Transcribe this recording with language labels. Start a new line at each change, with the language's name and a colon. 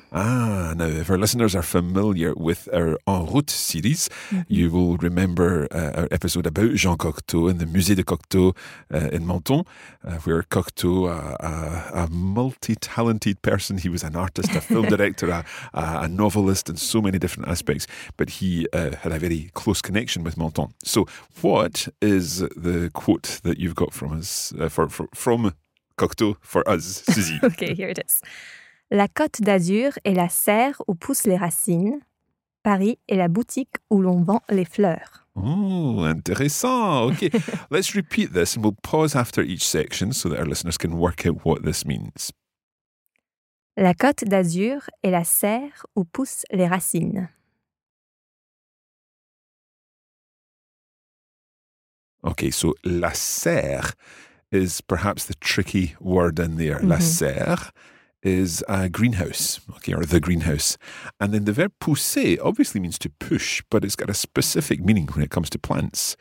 English: Ah, now, if our listeners are familiar with our En Route series, you will remember our episode about Jean Cocteau in the Musée de Cocteau in Menton, where Cocteau, a multi-talented person, he was an artist, a film director, a novelist in so many different aspects, but he had a very close connection with Menton. So, what is the quote that you've got from us from Cocteau for us, Suzy? Okay, here it is.
French: La Côte d'Azur est la serre où poussent les racines. Paris est la boutique où l'on vend les fleurs. Oh, intéressant.
English: Okay, let's repeat this and we'll pause after each section so that our listeners can work out what this means.
French: La Côte d'Azur est la serre où poussent les racines.
English: Okay, so la serre is perhaps the tricky word in there. Mm-hmm. La serre is a greenhouse, okay, or the greenhouse. And then the verb pousser obviously means to push, but it's got a specific meaning when it comes to plants.